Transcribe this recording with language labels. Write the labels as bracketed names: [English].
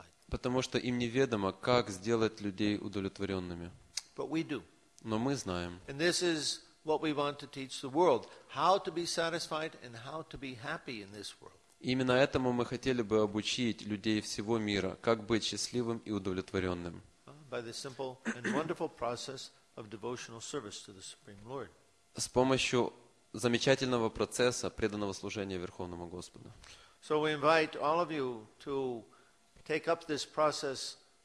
[Russian] Потому что им неведомо, как сделать людей удовлетворенными. Но мы знаем. И это то, что мы хотим учить миру. Как быть удовлетворенным и как быть счастливым в этом мире. Именно этому мы хотели бы обучить людей всего мира, как быть счастливым и удовлетворенным. [English] By the simple and wonderful process of devotional service to the Supreme Lord. [Russian] С помощью замечательного процесса преданного служения Верховному Господу. [English] So we invite all of you to take up this process.